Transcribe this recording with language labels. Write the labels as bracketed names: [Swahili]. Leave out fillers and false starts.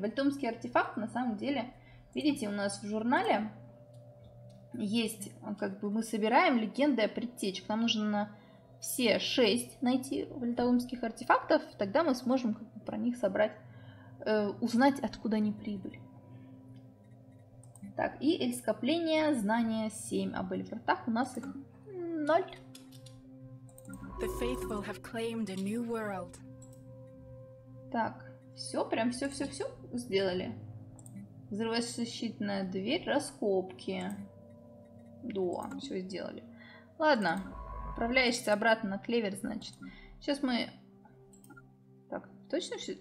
[Russian] Вальтомский артефакт, на самом деле, видите, у нас в журнале есть, как бы мы собираем легенды о предтечах. Нам нужно все 6 найти вальтомских артефактов, тогда мы сможем как бы про них собрать, узнать, откуда они прибыли. Так, и эльскопление знания 7, а об эльфортах у нас их 0. [English] The faithful have claimed a new world. [Russian] Так, все, прям все-все-все сделали. Взрывозащитная дверь, раскопки. Да, все сделали. Ладно, отправляешься обратно на клевер, значит. Сейчас мы... Так, точно все?